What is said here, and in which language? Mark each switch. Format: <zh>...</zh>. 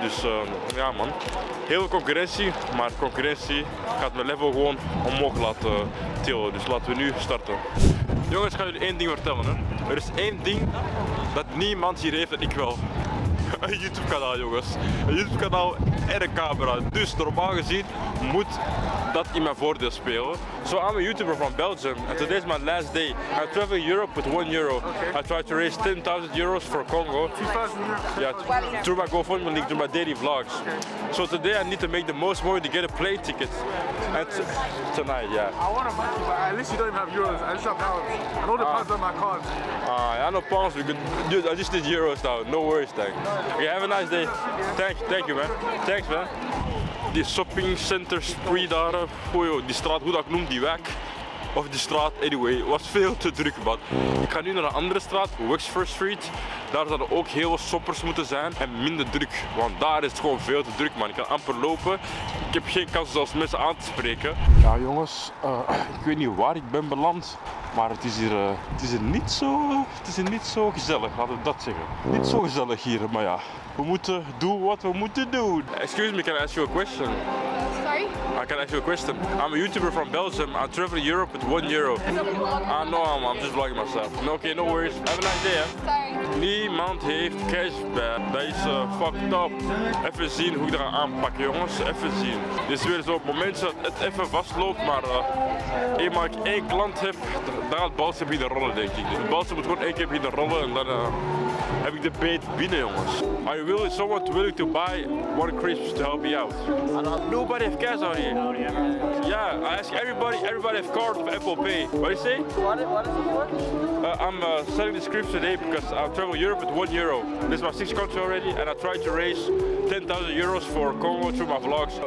<nl>Dus ja, man. Heel veel concurrentie, maar concurrentie gaat mijn level gewoon omhoog laten tillen. Dus laten we nu starten. Jongens, ik ga jullie één ding vertellen. Hè. Er is één ding dat niemand hier heeft dat ik wel. Een YouTube-kanaal, jongens. Een YouTube-kanaal en een camera. Dus normaal gezien moet dat in mijn voordeel spelen.</nl> <en>So I'm a YouTuber from Belgium. And today is my last day. I travel Europe with 1 euro. Okay. I tried to raise 10.000 euros for Congo. 2,000 euros? Yeah, through my GoFundMe link, through my daily vlogs. Okay. So today I need to make the most money to get a plane ticket. Tonight, yeah. I want to buy, but at least you don't even have euros. I just have pounds. And all the pounds are my cards. I know pounds. I just need euros now. No worries, thank you. Okay, have a nice day. Thank you, man. Thanks, man.</en> <nl>Die shopping center spree daar, joh, die straat, hoe dat ik noem, die wijk. Of die straat, anyway, was veel te druk, man. Ik ga nu naar een andere straat, Wexford Street. Daar zouden ook heel veel shoppers moeten zijn. En minder druk, want daar is het gewoon veel te druk, man. Ik kan amper lopen. Ik heb geen kans zelfs mensen aan te spreken. Ja, jongens, ik weet niet waar ik ben beland. Maar het is hier niet zo gezellig, laten we dat zeggen. Niet zo gezellig hier, maar ja. We moeten doen wat we moeten doen.</nl> <en>Excuse me, can I ask you a question? Sorry? I can ask you a question. I'm a YouTuber from Belgium. I travel to Europe with 1 euro. No, I'm just vlogging myself. No, okay, no worries. Have a nice day, hè.</en> <nl>Niemand heeft cash, man. Dat is fucked up. Even zien hoe ik eraan aanpak, jongens. Even zien. Dit is weer zo'n momentje dat het even vastloopt, maar eenmaal ik één klant heb, dan gaat het balsje beginnen rollen, denk ik. Dus het balsje moet gewoon één keer beginnen rollen en dan heb ik de beet binnen, jongens.</nl> <en>Are you willing, someone willing to buy one crisp to help me out? Nobody have cash out here. Yeah, I ask everybody, everybody have card of Apple Pay. What do you say? What is it for? I'm selling this crisp today because I've traveled Europe with 1 euro. This is my 6th country already and I tried to raise 10,000 euros for Congo through my vlogs.</en>